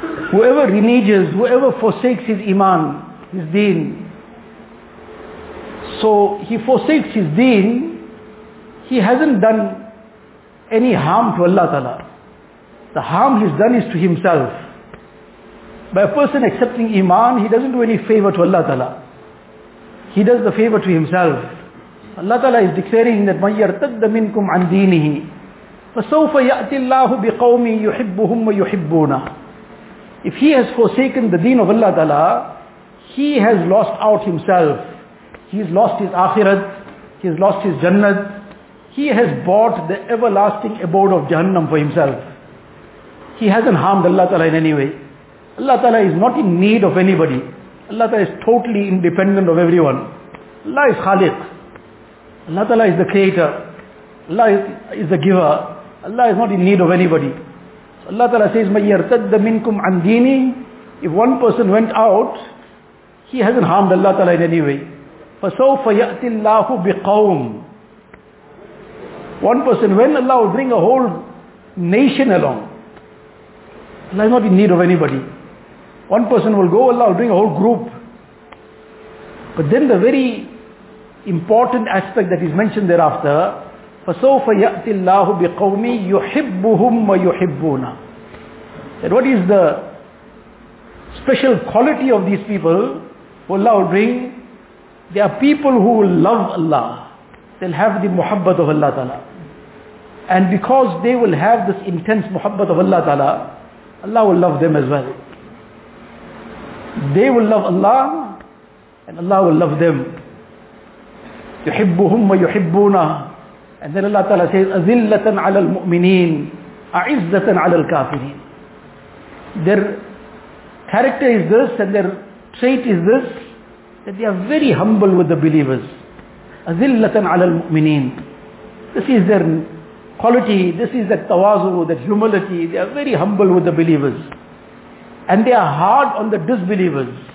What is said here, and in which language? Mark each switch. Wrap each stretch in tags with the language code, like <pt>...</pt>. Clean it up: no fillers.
<en>Whoever reneges, whoever forsakes his Iman, his deen, so he forsakes his deen, he hasn't done any harm to Allah Ta'ala. The harm he's done is to himself. By a person accepting Iman, he doesn't do any favor to Allah Ta'ala. He does the favor to himself. Allah Ta'ala is declaring that</en> <ar>مَنْ يَرْتَدَّ مِنْكُمْ عَنْ دِينِهِ فَسَوْفَ يَأْتِ اللَّهُ بِقَوْمِ يُحِبُّهُمْ وَيُحِبُّونَ.</ar> <en>If he has forsaken the deen of Allah Ta'ala, he has lost out himself. He has lost his akhirat, he has lost his jannat, he has bought the everlasting abode of Jahannam for himself. He hasn't harmed Allah Ta'ala in any way. Allah Ta'ala is not in need of anybody. Allah Ta'ala is totally independent of everyone. Allah is Khaliq. Allah Ta'ala is the creator. Allah is the giver. Allah is not in need of anybody. So Allah Ta'ala says,</en> <ar>مَنْ يَرْتَدَّ مِنْكُمْ عَنْ دِينِ.</ar> <en>If one person went out, he hasn't harmed Allah Ta'ala in any way.</en> <ar>فَسَوْفَ يَأْتِ اللَّهُ بِقَوْمٍ.</ar> <en>one person, when Allah will bring a whole nation along, Allah is not in need of anybody. One person will go, Allah will bring a whole group. But then the very important aspect that is mentioned thereafter,</en> <ar>فَسَوْفَ يَأْتِ اللَّهُ بِقَوْمِ يُحِبُّهُمْ وَيُحِبُّونَ.</ar> <en>That what is the special quality of these people who Allah will bring? They are people who will love Allah. They'll have the muhabbat of Allah Ta'ala. And because they will have this intense muhabbat of Allah Ta'ala, Allah will love them as well. They will love Allah and Allah will love them.</en> <ar>يُحِبُّهُمْ وَيُحِبُّونَ.</ar> <en>And then Allah Ta'ala says,</en> <ar>أَذِلَّةً عَلَى الْمُؤْمِنِينَ أَعِزَّةً عَلَى الْكَافِرِينَ.</ar> <en>Their character is this and their trait is this, that they are very humble with the believers.</en> <ar>أَذِلَّةً عَلَى الْمُؤْمِنِينَ.</ar> <en>This is their quality, this is that tawazu, that humility. They are very humble with the believers. And they are hard on the disbelievers.</en>